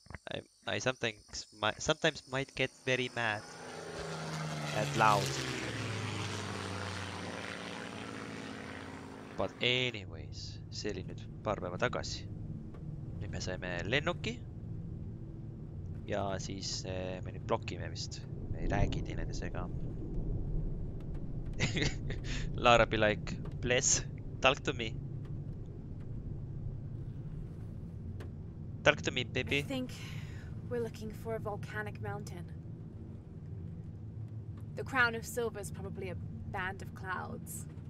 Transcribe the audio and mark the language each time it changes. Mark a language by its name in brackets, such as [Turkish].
[English] I sometimes might get very mad at loud. But anyways, [Estonian] see oli nüüd paar päeva tagasi. Nüüd me saime lennuki. Ja siis me nüüd blokime vist. Me ei räägi teine sega. [English] Lara be like, please, talk to me. Talk to me, baby. I think we're looking for a volcanic mountain. The crown of silver is probably a band of clouds.